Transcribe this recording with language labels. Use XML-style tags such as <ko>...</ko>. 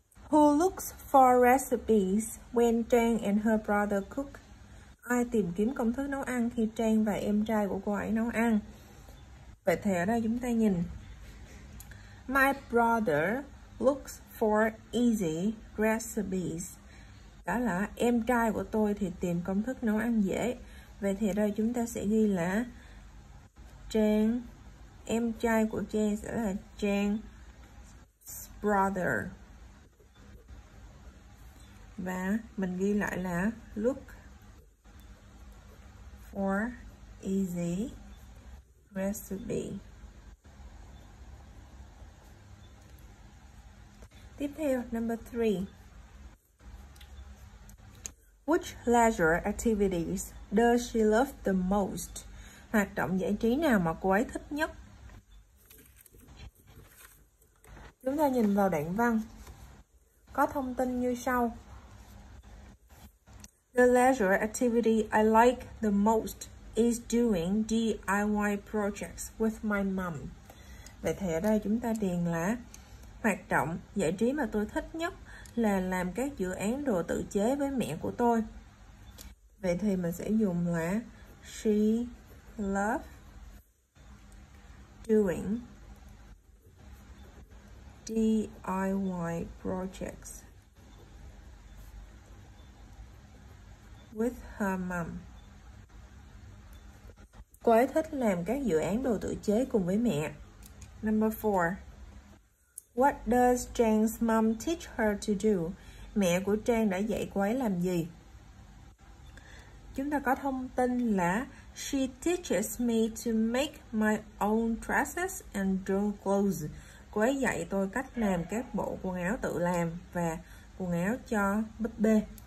<en>Who looks for recipes when Trang and her brother cook?</en> <vi>Ai tìm kiếm công thức nấu ăn khi Trang và em trai của cô ấy nấu ăn? Vậy thì ở đây chúng ta nhìn</vi> <en>my brother looks for easy recipes.</en> <vi>Đó là em trai của tôi thì tìm công thức nấu ăn dễ. Vậy thì ở đây chúng ta sẽ ghi là Trang, em trai của Trang sẽ là Trang's brother. Và mình ghi lại là</vi> <en>look for easy recipe.</en> <vi>Tiếp theo, number 3.</vi> <en>Which leisure activities does she love the most?</en> <vi>Hoạt động giải trí nào mà cô ấy thích nhất? Chúng ta nhìn vào đoạn văn. Có thông tin như sau.</vi> <en>The leisure activity I like the most is doing DIY projects with my mom.</en> <vi>Vậy thì ở đây chúng ta điền là hoạt động giải trí mà tôi thích nhất là làm các dự án đồ tự chế với mẹ của tôi. Vậy thì mình sẽ dùng là</vi> <en>she loves doing DIY projects with her mom.</en> <vi>Cô ấy thích làm các dự án đồ tự chế cùng với mẹ.</vi> <en>Number 4. What does Trang's mom teach her to do?</en> <vi>Mẹ của Trang đã dạy cô ấy làm gì? Chúng ta có thông tin là</vi> <en>she teaches me to make my own dresses and draw clothes.</en> <vi>Cô ấy dạy tôi cách làm các bộ quần áo tự làm và quần áo cho búp bê.</vi>